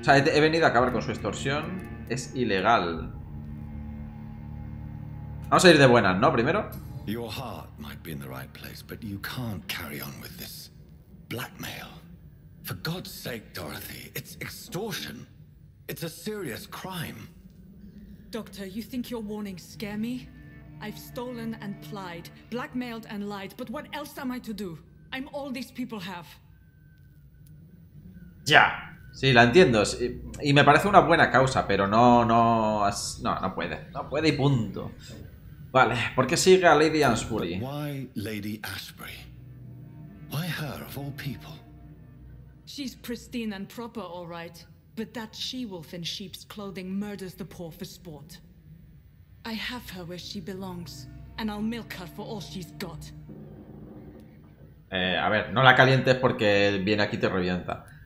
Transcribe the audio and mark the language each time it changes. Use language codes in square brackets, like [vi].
[es] O sea, he venido a acabar con su extorsión. Es ilegal. Vamos a ir de buenas, ¿no? Primero. [en] Your heart might be in the right place, but you can't carry on with this blackmail. For God's sake, Dorothy, it's extortion. It's a serious crime. Doctor, you think your warnings scare me? I've stolen and plied, blackmailed and lied, but what else am I to do? I'm all these people have. [es] Ya. Sí, la entiendo. Sí. Y me parece una buena causa, pero no, no. No, no puede. No puede y punto. Vale, ¿por qué sigue a Lady Ashbury? ¿Por qué Lady Ashbury? ¿Por qué ella, de todas las personas? [en] She's pristine and proper, all right, but that she-wolf in sheep's clothing murders the poor for sport. I have her where she belongs, and I'll milk her for all she's got. [es] A ver, no la calientes porque viene aquí y te revienta.